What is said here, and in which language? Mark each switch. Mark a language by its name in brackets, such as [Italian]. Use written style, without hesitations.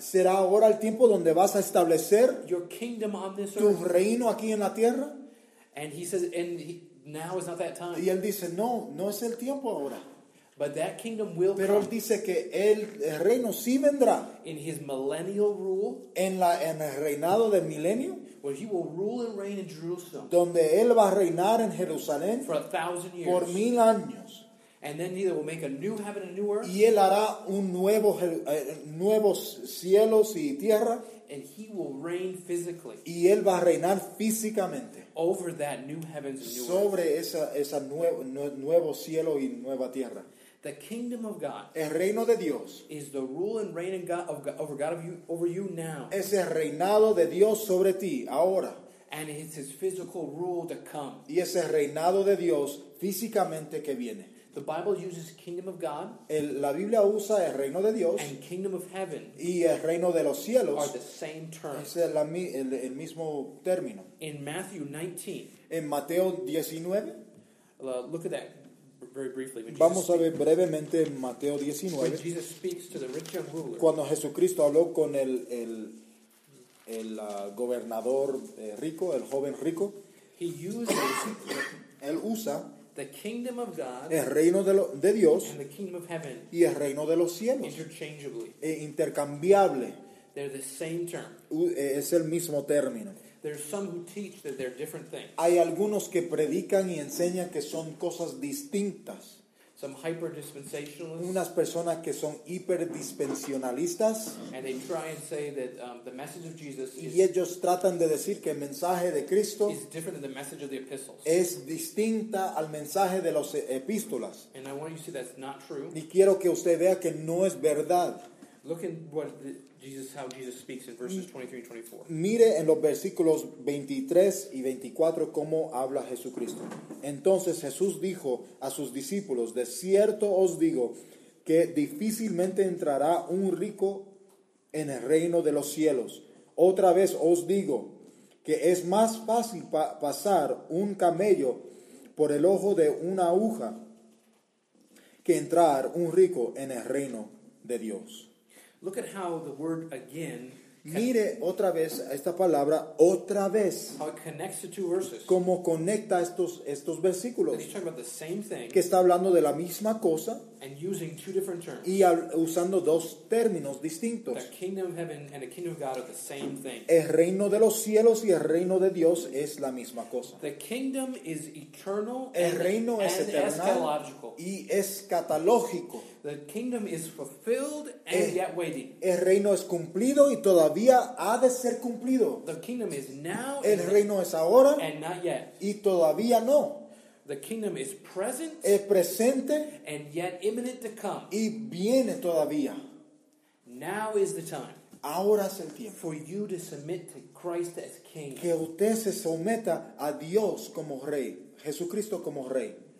[Spanish] ¿Será ahora el tiempo donde vas a establecer [English] your kingdom on this [Spanish] tu [English] earth? [Spanish] Reino aquí en la tierra? [English] And he says, and now is not that time. [Spanish] Y él dice, no, no es el tiempo ahora. [English] But that kingdom will [Spanish] pero [English] come. [Spanish] Él dice que el reino sí vendrá. [English] In his millennial rule. [Spanish] En el reinado del milenio. [English] Where he will rule and reign in Jerusalem. [Spanish] Donde él va a reinar en Jerusalén. [English] For 1,000 years. [Spanish] Por 1,000 años. [English] And then he will make a new heaven and a new earth. [Spanish] Y él hará un nuevo, nuevos cielos y tierra. [English] And he will reign physically. [Spanish] Y él va a reinar físicamente. [English] Over that new heavens and new [Spanish] sobre [English] earth. [Spanish] Sobre esa nuevo cielo y nueva tierra. [English] The kingdom of God. [Spanish] El reino de Dios. [English] Is the rule and reign over God now. [Spanish] Es el reinado de Dios sobre ti ahora. [English] And it's his physical rule to come. [Spanish] Y es el reinado de Dios físicamente que viene. [English] The Bible uses kingdom of God. [Spanish] La Biblia usa el reino de Dios. [English] And kingdom of heaven. [Spanish] Y el reino de los cielos. [English] Are the same term. [Spanish] Es el mismo término. [English] In Matthew 19. [Spanish] En Mateo 19. [English] Look at that. Very briefly, when [Spanish] vamos [English] Jesus [Spanish] a ver brevemente en Mateo 19. [English] When Jesus speaks to the rich young ruler, [Spanish] cuando Jesucristo habló con el gobernador rico, el joven rico, [English] he uses, [Spanish] él usa [English] the kingdom of God, [Spanish] el reino de Dios [English] and the kingdom of heaven, [Spanish] y el reino de los cielos [English] interchangeably. [Spanish] E intercambiable. [English] They're the same term. [Spanish] Es el mismo término. [English] There's some who teach that they're different things. [Spanish] Hay algunos que predican y enseñan que son cosas distintas. [English] Some hyper-dispensationalists. [Spanish] Unas personas que son hiper-dispensionalistas. [English] And they try and say that the message of Jesus is. [Spanish] Y ellos tratan de decir que el mensaje de Cristo [English] is different than the message of the epistles. [Spanish] Es distinta al mensaje de los epístolas. [English] And I want you to see that's not true. [Spanish] Y quiero que usted vea que no es verdad. [English] Look at how Jesus speaks in verses 23 and 24. [Spanish] Mire en los versículos 23 y 24 cómo habla Jesucristo. Entonces Jesús dijo a sus discípulos, de cierto os digo que difícilmente entrará un rico en el reino de los cielos. Otra vez os digo que es más fácil pasar un camello por el ojo de una aguja que entrar un rico en el reino de Dios. [English] Look at how the word again. [Spanish] Mire otra vez esta palabra otra vez. [English] How it connects the two verses. [Spanish] Cómo conecta estos versículos. [English] He's talking about the same thing. [Spanish] Que está hablando de la misma cosa. [English] And using two different terms. [Spanish] Y usando dos términos distintos. [English] The kingdom of heaven and the kingdom of God are the same thing. [Spanish] El reino de los cielos y el reino de Dios es la misma cosa. [English] The kingdom is eternal. [Spanish] El reino es eterno y escatológico. [English] The kingdom is fulfilled and yet waiting. [Spanish] El reino es cumplido y todavía ha de ser cumplido. [English] The kingdom is now. [Spanish] El reino es ahora [English] and not yet. [Spanish] Y todavía no. [English] The kingdom is present. [Spanish] Es presente [English] and yet imminent to come. [Spanish] Y viene todavía. [English] Now is the time. [Spanish] Ahora es el tiempo. [English] For you to submit to Christ as king. [Spanish] Que usted se someta a Dios como rey, Jesucristo como rey.